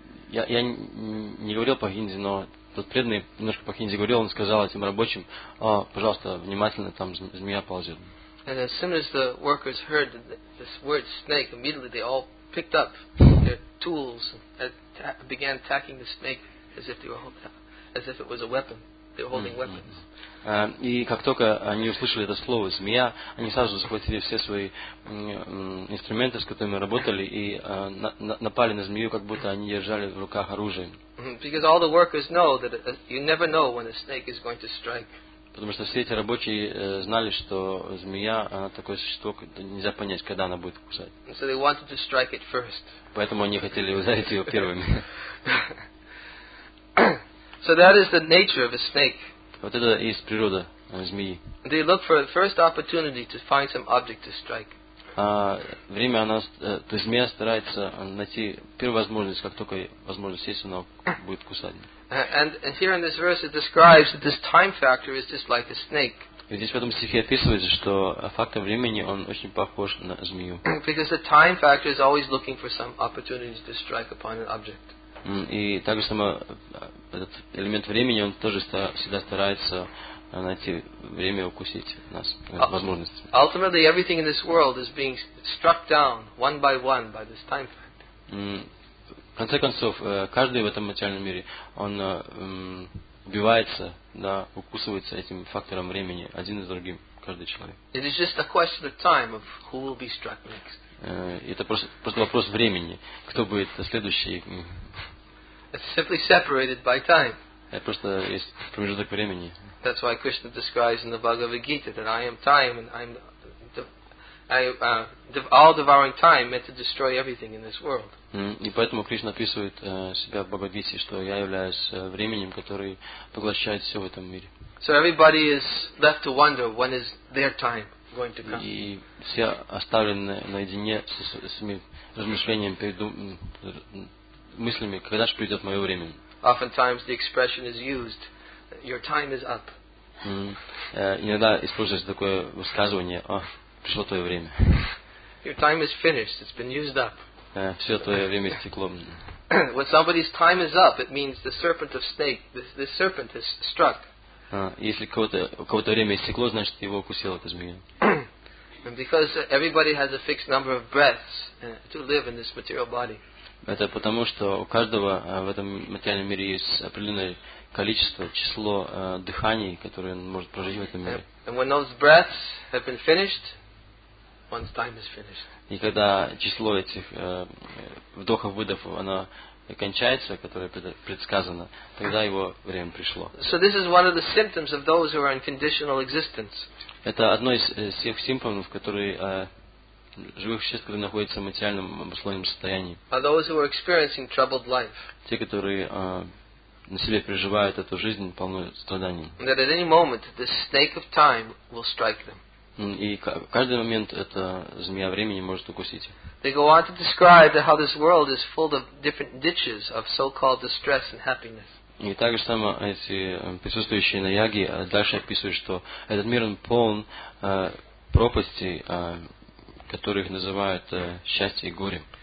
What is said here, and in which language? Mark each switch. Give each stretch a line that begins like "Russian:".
Russian: Я не говорил по-хинди, но тот преданный немножко по-хинди говорил, он сказал этим рабочим: «О, пожалуйста, внимательно, там змея ползет».
English: And as soon as the workers heard this word snake, immediately they all picked up their tools and began attacking the snake as if it was a weapon. They were holding weapons.
Russian: И как только они услышали это слово «змея», они сразу захватили все свои инструменты, с которыми работали, и напали на змею, как будто они держали в руках оружие.
English: Because all the workers know that you never know when a snake is going to strike.
Russian: потому что все эти рабочие знали, что змея, она такое существо, нельзя понять, когда она будет кусать.
English: So they wanted to strike it first.
Russian: Поэтому они хотели ударить ее первыми.
English: So that is the nature of a snake.
Russian: Вот это и есть природа змеи.
English: They look for the first opportunity to find some object to strike.
Russian: Время она, то есть змея старается найти первую возможность, как только возможность есть, она будет кусать.
English: And here in this verse it describes that this time factor is just like a snake.
Russian: И здесь в этом стихе описывается, что фактор времени он очень похож на змею.
English: Because the time factor is always looking for some opportunity to strike upon an object.
Russian: И также само этот элемент времени, он тоже всегда старается найти время укусить нас, возможности.
English: Ultimately, everything in this world is being struck down one by one by this time factor.
Russian: В конце концов, каждый в этом материальном мире, он убивается, да, укусывается этим фактором времени, один за другим, каждый человек.
English: It is just a question of time of who will be struck next.
Russian: Это просто вопрос времени, кто будет следующий.
English: It's simply separated by time.
Russian: Это просто есть промежуток времени.
English: That's why Krishna describes in the Bhagavad Gita that I am time and all devouring time meant to destroy everything in this world.
Russian: И поэтому Кришна описывает себя в Бхагавад-гите, что я являюсь временем, который поглощает все в этом мире.
English: So everybody is left to wonder when is their time going to come.
Russian: И все оставлены наедине со своими размышлениями, мыслями, когда же придет мое время.
English: Oftentimes the expression is used, your time is up.
Russian: Иногда используется такое высказывание: о, пришло твое время.
English: Your time is finished, it's been used up.
Russian: Все твое время истекло.
English: When somebody's time is up, it means the serpent of snake, the serpent has struck.
Russian: Если кого-то время истекло, значит его укусил эта змея.
English: And because everybody has a fixed number of breaths to live in this material body.
Russian: Это потому, что у каждого в этом материальном мире есть определенное количество, число дыханий, которые он может прожить в этом мире.
English: And when those breaths have been finished, one's time is finished.
Russian: И когда число этих вдохов-выдохов, оно кончается, которое предсказано, тогда его время пришло.
English: So this is one of the symptoms of those who are in conditional existence.
Russian: Это одно из всех симптомов, которые живых существ, которые находятся в материальном обусловленном состоянии.
English: Are those who are experiencing troubled life.
Russian: Те, которые на себе переживают эту жизнь, полную страданий.
English: That at any moment the snake of time will strike them.
Russian: И в каждый момент эта змея времени может укусить.
English: They go on to describe how this world is full of different ditches of so-called distress and happiness.
Russian: И также само эти присутствующие на Яге дальше описывают, что этот мир он полон пропастей, которых называют счастье и горе.